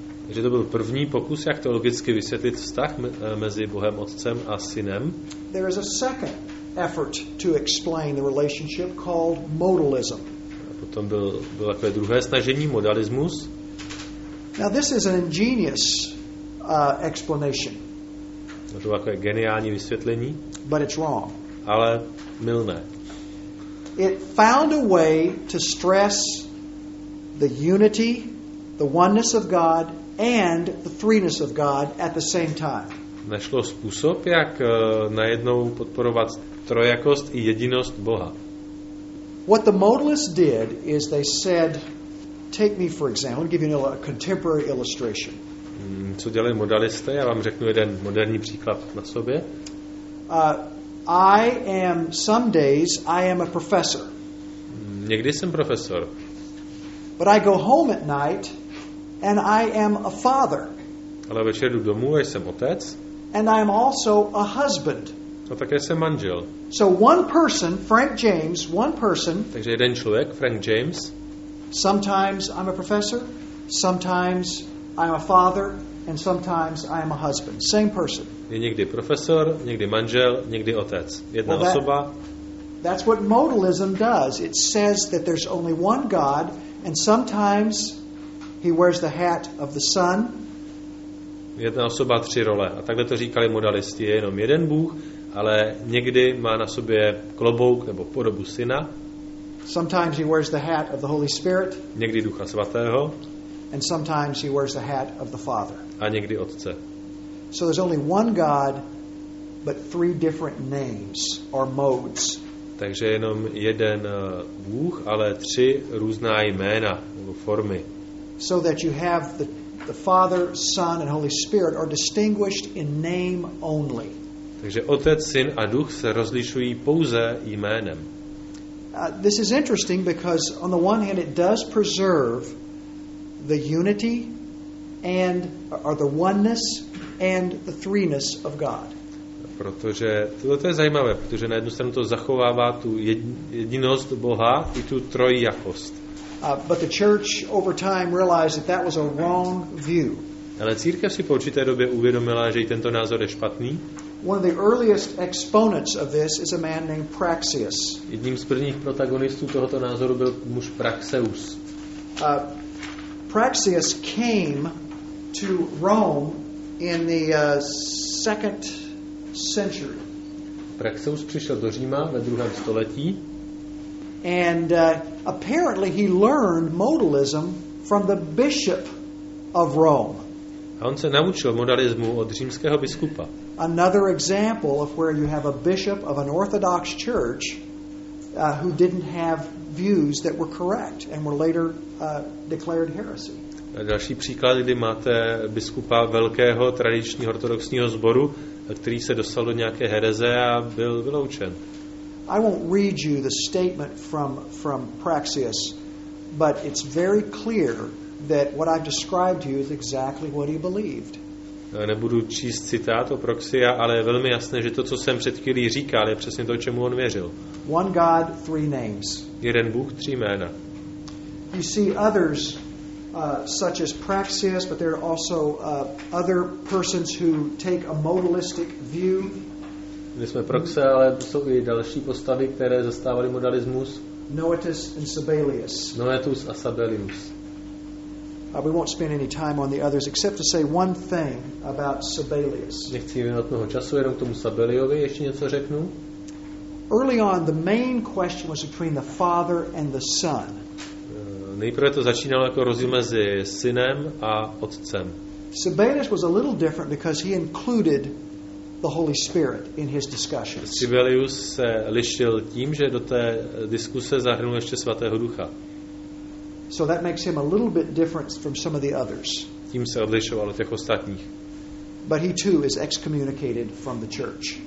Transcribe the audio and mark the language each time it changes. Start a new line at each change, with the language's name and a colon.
Czech: Takže to byl první pokus, jak teologicky vysvětlit vztah mezi Bohem Otcem a Synem.
English: There is a second effort to explain the relationship called modalism.
Czech: A potom bylo takové druhé snažení, modalismus.
English: Now this is an ingenious explanation.
Czech: To bylo takové geniální vysvětlení.
English: But it's wrong.
Czech: Ale mylné.
English: It found a way to stress the unity, the oneness of God and the threeness of God at the same time.
Czech: Našlo způsob, jak najednou podporovat trojakost i jedinost Boha.
English: What the modalists did is they said, take me for example, I'll give you a contemporary illustration.
Czech: Co dělali modalisté? Já vám řeknu jeden moderní příklad na sobě.
English: I am some days I am a professor.
Czech: Někdy jsem profesor.
English: But I go home at night and I am a father.
Czech: Ale večer jdu domů a jsem otec.
English: And I am also a husband.
Czech: A také jsem manžel.
English: So one person, Frank James, one person.
Czech: Takže jeden člověk, Frank James.
English: Sometimes I'm a professor, sometimes I'm a father. And sometimes I am a husband. Same person.
Czech: Je někdy profesor, někdy manžel, někdy otec. Jedna osoba.
English: That's what modalism does. It says that there's only one God, and sometimes he wears the hat of the Son.
Czech: Jedna osoba, tři role. A takhle to říkali modalisti. Je jenom jeden Bůh, ale někdy má na sobě klobouk nebo podobu Syna.
English: Sometimes he wears the hat of the Holy Spirit.
Czech: Někdy Ducha Svatého.
English: And sometimes he wears the hat of the Father.
Czech: A někdy Otce.
English: So there's only one God, but three different names or modes.
Czech: Takže jenom jeden Bůh, ale tři různá jména nebo formy.
English: So that you have the Father, Son and Holy Spirit are distinguished in name only.
Czech: Takže Otec, Syn a Duch se rozlišují pouze jménem.
English: This is interesting because on the one hand it does preserve the unity and or the oneness and the threeness of God.
Czech: Protože to je zajímavé, protože na jednu stranu to zachovává tu jedinost Boha i tu trojjakost.
English: But the church over time realized that that was a wrong view.
Czech: Ale církev si po určité době uvědomila, že i tento názor je špatný.
English: One of the earliest exponents of this is a man named Praxeus.
Czech: Jedním z prvních protagonistů tohoto názoru byl muž Praxeus.
English: Praxeus came to Rome in the second century.
Czech: Praxeus přišel do Říma ve druhém století.
English: And apparently he learned modalism from the bishop of Rome.
Czech: A on se naučil modalismu od římského biskupa.
English: Another example of where you have a bishop of an Orthodox church who didn't have views that were correct and were later declared heresy.
Czech: Další příklad, kdy máte biskupa velkého tradičního ortodoxního sboru, který se dostal do nějaké hereze a byl vyloučen.
English: I won't read you the statement from Praxeus, but it's very clear that what I've described to you is exactly what he believed.
Czech: Nebudu číst citát o Praxia, ale je velmi jasné, že to, co jsem před chvílí říkal, je přesně to, čemu on věřil.
English: One God, three names.
Czech: Jeden Bůh, tři jména.
English: You see others such as Praxeus, but there are also other persons who take a modalistic view.
Czech: My jsme Praxe, ale jsou i další postavy, které zastávaly modalismus.
English: Noetus and Sabellius.
Czech: Noetus a Sabellius.
English: We won't spend any time on the others except to say one thing about Sabellius.
Czech: Nechci věnovat mnoho času jenom k tomu Sabelliovi, ještě něco řeknu.
English: early on the main question was between the father and the son.
Czech: Nejprve to začínalo jako rozdíl mezi synem a otcem.
English: Sabinus was a little different because he included the Holy Spirit in his discussions.
Czech: Sibelius se lišil tím, že do té diskuse zahrnul ještě Svatého Ducha.
English: So that makes him a little bit different from some of the others.
Czech: Tím se odlišoval od těch ostatních.
English: But he too is excommunicated from the church.